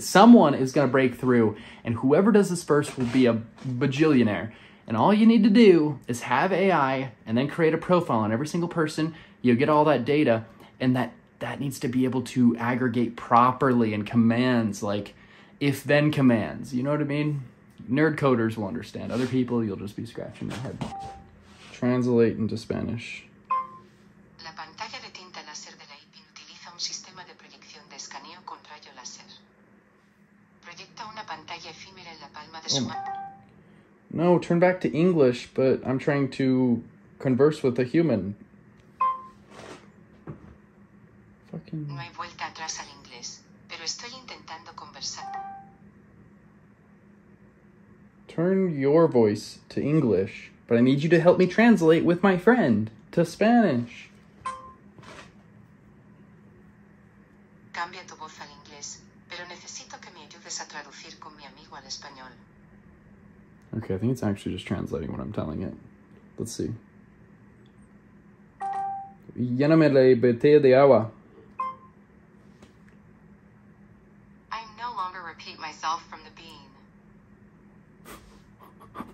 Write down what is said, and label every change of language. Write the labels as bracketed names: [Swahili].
[English] Someone is gonna break through, and whoever does this first will be a bajillionaire, and all you need to do is have AI, and then create a profile on every single person, you'll get all that data. And that needs to be able to aggregate properly and commands, like, if then commands. You know what I mean? Nerd coders will understand. Other people, you'll just be scratching your head. Translate into Spanish. [Spanish] La pantalla de tinta láser de la IPIN utiliza un sistema de proyección de escaneo con rayo láser. Proyecta una pantalla efímera en la palma de su mano. [English] No, turn back to English, but I'm trying to converse with a human. Fucking. [Spanish] No hay vuelta atrás al inglés, pero estoy intentando conversar. [English] Turn your voice to English, but I need you to help me translate with my friend to Spanish. [Spanish] Cambia tu voz al inglés, pero necesito que me ayudes a traducir con mi amigo al español. [English] Okay, I think it's actually just translating what I'm telling it. Let's see. [Spanish] Lléname la botella de agua. [English] I no longer repeat myself from the bean.